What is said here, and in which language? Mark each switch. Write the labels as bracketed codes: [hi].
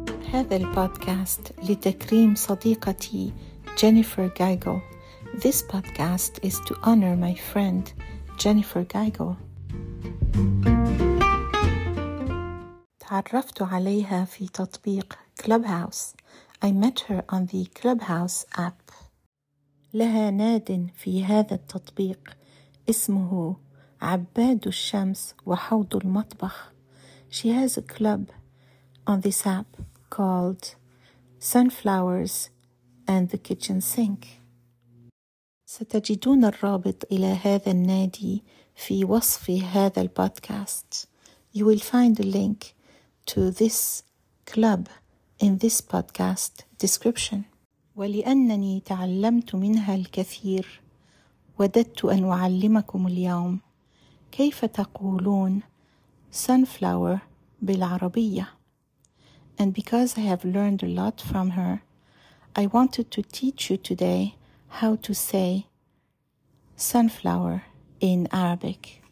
[ar] هذا البودكاست لتكريم صديقتي جينيفر جايجو. [en] This podcast is to honor my friend Jennifer Geigel. [ar] تعرفت عليها في تطبيق Clubhouse. [en] I met her on the Clubhouse app. [ar] لها ناد في هذا التطبيق اسمه عباد الشمس وحوض المطبخ. [en] She has a club on this app called Sunflowers and the Kitchen Sink. [ar] ستجدون الرابط إلى هذا النادي في وصف هذا البودكاست. [en] You will find a link to this club in this podcast description. [ar] ولأنني تعلمت منها الكثير، وددت أن أعلمكم اليوم كيف تقولون sunflower بالعربية. [en] And because I have learned a lot from her, I wanted to teach you today how to say sunflower in Arabic.